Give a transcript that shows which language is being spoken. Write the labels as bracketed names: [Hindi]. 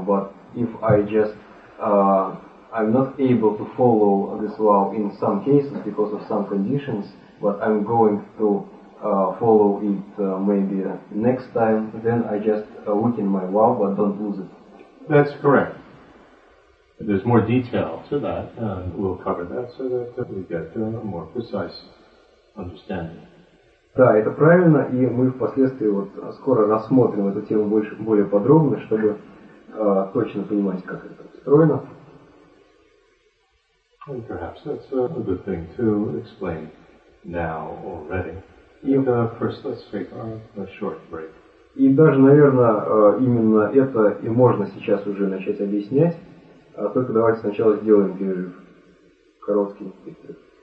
[English] But if I just I'm not able to follow this vow in some cases because of some conditions, but I'm going to follow it maybe next time, then I just weaken my vow but don't lose it. That's correct. There's more detail to that, and we'll cover that so that we get to a more precise understanding. [Russian] Да, это правильно, и мы впоследствии вот скоро рассмотрим эту тему больше, более подробно, чтобы точно понимать, как это устроено. [English] And perhaps that's a good thing to explain now already. And first, let's take a short break. [Russian] И даже, наверное, именно это и можно сейчас уже начать объяснять. Только давайте сначала сделаем перерыв, короткий перерыв.